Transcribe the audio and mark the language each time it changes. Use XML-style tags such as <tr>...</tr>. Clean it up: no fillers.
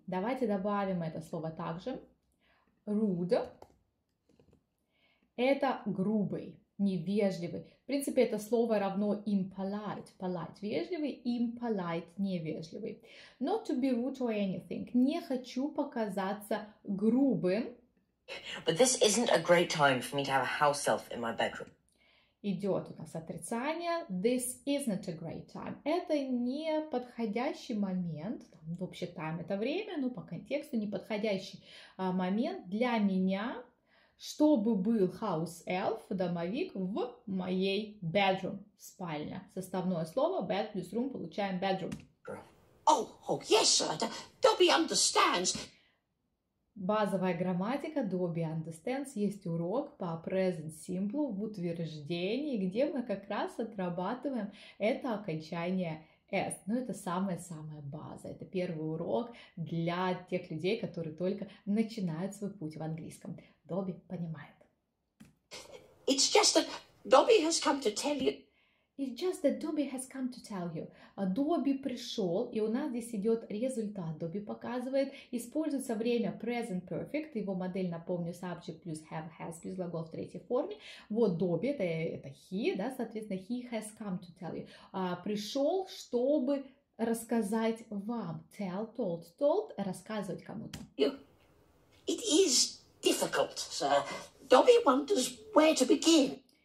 <ru>Давайте добавим это слово также. Rude – это грубый, невежливый. В принципе, это слово равно impolite. Polite – вежливый, impolite – невежливый.</ru> <en>Not to be rude or anything.</en> <ru>Не хочу показаться грубым.</ru> <en>But this isn't a great time for me to have a house elf in my bedroom.</en> <ru>Идет у нас отрицание.</ru> <en>This isn't a great time.</en> <ru>Это не подходящий момент. Там, вообще, time – это время, но по контексту не подходящий момент для меня, чтобы был house elf, домовик, в моей bedroom, спальня. Составное слово bed плюс room, получаем bedroom.</ru> <en>Oh, yes, sir. Dobby understands.</en> <ru>Базовая грамматика,</ru> <en>Dobby understands,</en> <ru>есть урок по present simple в утверждении, где мы как раз отрабатываем это окончание S. Ну, это самая-самая база, это первый урок для тех людей, которые только начинают свой путь в английском. Dobby понимает.</ru> <en>It's just that Dobby has come to tell you. It's just that Dobby has come to tell you.</en> <ru>Dobby пришел, и у нас здесь идет результат. Dobby показывает. Используется время present perfect. Его модель, напомню,</ru> <en>subject plus have, has,</en> <ru>без глагол в третьей форме. Вот Dobby, это he, да, соответственно,</ru> <en>he has come to tell you.</en> <ru>Пришел, чтобы рассказать вам.</ru> <en>Tell, told, told,</en> <ru>рассказывать кому-то.</ru> <en>It is difficult, sir. Dobby wonders where to begin.</en>